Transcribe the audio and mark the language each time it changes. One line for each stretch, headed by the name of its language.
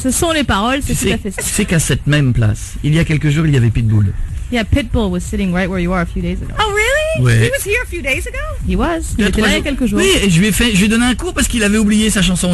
French: Ce sont les paroles, c'est tout à fait ça. Tu sais qu'à cette même place, il y a quelques jours, il y avait Pitbull.
English: Yeah, Pitbull was sitting right where you are a few days ago. Oh, really?
French: Ouais.
English: He was here a few days ago? He was.
French: Il était là il y a quelques jours. Oui, et je lui ai donné un cours parce qu'il avait oublié sa chanson.